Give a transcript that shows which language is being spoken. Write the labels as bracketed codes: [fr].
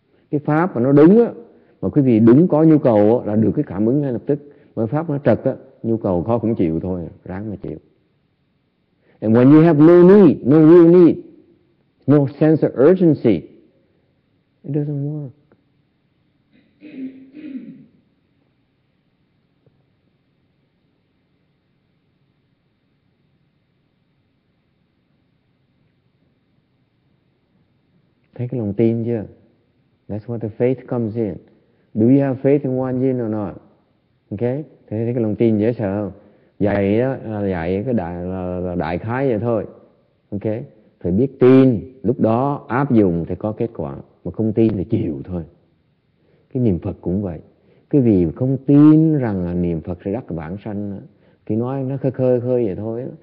[vi] Cái pháp mà nó đúng á, mà quý vị đúng có nhu cầu á, là được cái cảm ứng ngay lập tức. Mà pháp nó trật á, nhu cầu khó cũng chịu thôi, ráng mà chịu. [en] And when you have no need, no real need, no sense of urgency, it doesn't work. [vi] Thấy cái lòng tin chưa? [en] That's where the faith comes in. Do you have faith in one yin or not? Okay? [vi] Thế thấy cái lòng tin dễ sợ không? Dạy đó là dạy cái đại khái vậy thôi. Okay? Phải biết tin, lúc đó áp dụng thì có kết quả. Mà không tin thì chịu thôi. Cái niệm Phật cũng vậy. Cái vì không tin rằng niệm Phật sẽ đắc vãng sanh, thì nói nó khơi vậy thôi.